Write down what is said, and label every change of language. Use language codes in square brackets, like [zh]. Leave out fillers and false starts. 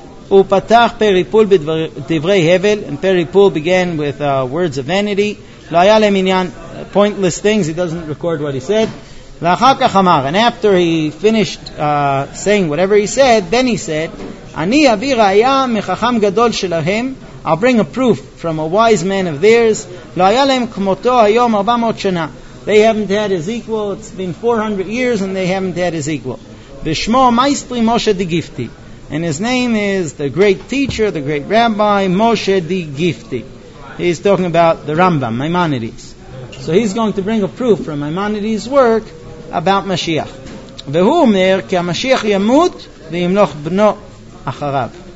[he] ופתח פריפול בדברי הבל, [en] and פריפול began with words of vanity. [he] לא היה להם עניין, [en] pointless things, he doesn't record what he said. [he] ואחר כך אמר, [en] and after he finished saying whatever he said, then he said, [he] אני אביא ראיה מחכם גדול שלהם, [en] I'll bring a proof from a wise man of theirs. [he] לא היה להם כמותו היום 400 שנה. [en] They haven't had his equal, it's been 400 years and they haven't had his equal. [he] ושמו מייסטרי משה דגיפתי. [en] And his name is the great teacher, the great rabbi, Moshe the Gifti. He's talking about the Rambam, Maimonides. So he's going to bring a proof from Maimonides' work about Mashiach. [he] V'hu omer ki haMashiach yamut v'yimloch bno acharav.